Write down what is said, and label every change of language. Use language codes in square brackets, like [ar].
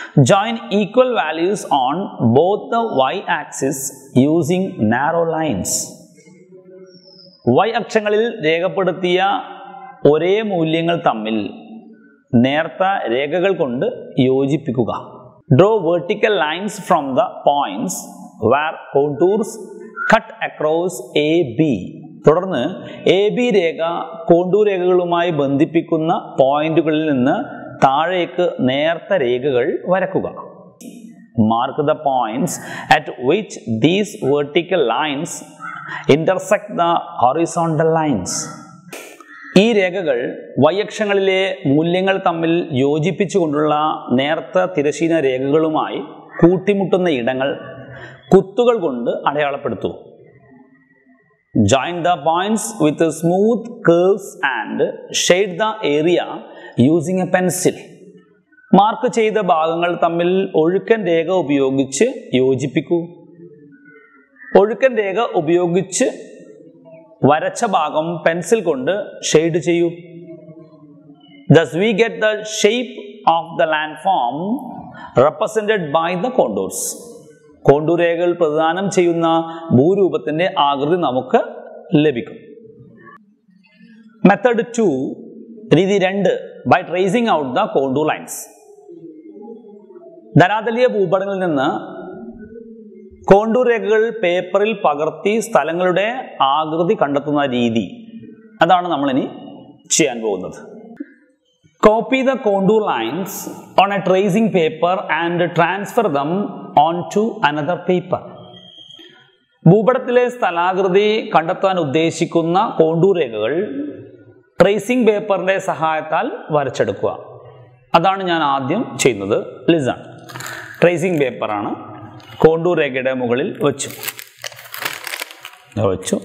[en] Join equal values on both the y axis using narrow lines. [ml] Y അക്ഷങ്ങളിൽ രേഖപ്പെടുത്തിയ ഒരേ മൂല്യങ്ങൾ തമ്മിൽ നേർത്ത രേഖകൾ കൊണ്ട് യോജിപ്പിക്കുക. [en] Draw vertical lines from the points where contours cut across AB. [ml] തുടർന്ന് AB രേഖ കോണ്ടൂർ രേഖകളുമായി ബന്ധിപ്പിക്കുന്ന പോയിന്റുകളിൽ നിന്ന് താഴേക്ക് നേർത്ത രേഖകൾ വരക്കുക. [en] Mark the points at which these vertical lines intersect the horizontal lines. [ml] ഈ രേഖകൾ y അക്ഷങ്ങളിലെ മൂല്യങ്ങൾ തമ്മിൽ യോജിപ്പിച്ചുകൊണ്ടുള്ള നേർത്ത തിരശ്ചീന രേഖകളുമായി കൂട്ടിമുട്ടുന്ന ഇടങ്ങൾ കുത്തുകൾ കൊണ്ട് അടയാളപ്പെടുത്തുക. [en] Join the points with the smooth curves and shade the area using a pencil. [ml] Mark ചെയ്ത ഭാഗങ്ങൾ തമ്മിൽ ഒഴുക്കൻ രേഖ ഉപയോഗിച്ച് യോജിപ്പിക്കൂ. ഒഴുക്കൻ രേഖ ഉപയോഗിച്ച് വരച്ച ഭാഗം പെൻസിൽ കൊണ്ട് ഷെയ്ഡ് ചെയ്യൂ. [en] Thus we get the shape of the landform represented by the contours. [ml] Contour രേഖകൾ പ്രദാനം ചെയ്യുന്ന ഭൂരൂപത്തിന്റെ ആകൃതി നമുക്ക് ലഭിക്കും. [en] method 2, [ml] രീതി 2, [en] By tracing out the contour lines. [ml] ദരാദലിയ ഭൂപടങ്ങളിൽ നിന്ന് കോണ്ടൂർ രേഖകൾ പേപ്പറിൽ പകർത്തി സ്ഥലങ്ങളുടെ ആകൃതി കണ്ടെത്തുന്ന രീതി, അതാണ് നമ്മളിനി ചെയ്യാൻ പോകുന്നത്. [en] Copy the contour lines on a tracing paper and transfer them onto another paper. [ml] ഭൂപടത്തിലെ സ്ഥലാകൃതി കണ്ടെത്താൻ ഉദ്ദേശിക്കുന്ന കോണ്ടൂർ രേഖകൾ ട്രേസിംഗ് പേപ്പറിന്റെ സഹായത്താൽ വരച്ചെടുക്കുക. അതാണ് ഞാൻ ആദ്യം ചെയ്യുന്നത്. ലിസൺ, ട്രേസിംഗ് പേപ്പറാണ് കോണ്ടൂർ രേഖയുടെ മുകളിൽ വെച്ചു വെച്ചു.